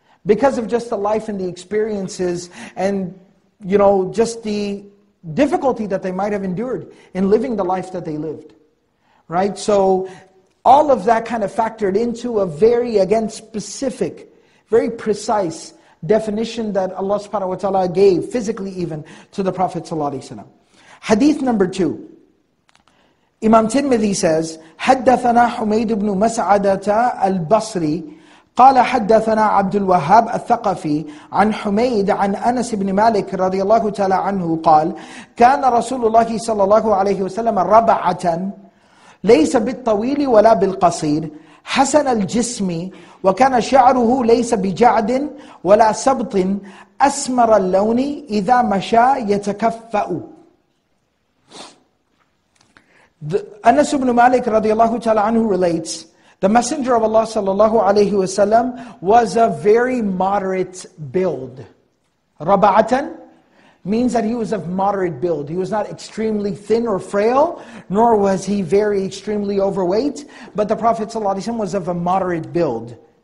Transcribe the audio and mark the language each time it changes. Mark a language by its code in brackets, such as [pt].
[en] Because of just the life and the experiences and, you know, just the difficulty that they might have endured in living the life that they lived. Right? So, all of that kind of factored into a very, again, specific, very precise definition that Allah subhanahu wa ta'ala gave, physically even, to the Prophet sallallahu alaihi wasallam. Hadith number two. Imam Tirmidhi says, [ar] حدثنا حميد بن مسعدة البصري قال حدثنا عبد الوهاب الثقفي عن حميد عن أنس بن مالك رضي الله تعالى عنه قال كان رسول الله صلى الله عليه وسلم ربعة ليس بالطويل ولا بالقصير حسن الجسم وكان شعره ليس بجعد ولا سبط أسمر اللون إذا مشى يتكفأ. [en] Anas ibn Malik radiallahu ta'ala anhu relates, the Messenger of Allah sallallahu alayhi wa sallam was a very moderate build. Raba'atan means that he was of moderate build. He was not extremely thin or frail, nor was he very extremely overweight, but the Prophet sallallahu alayhi wa sallam was of a moderate build.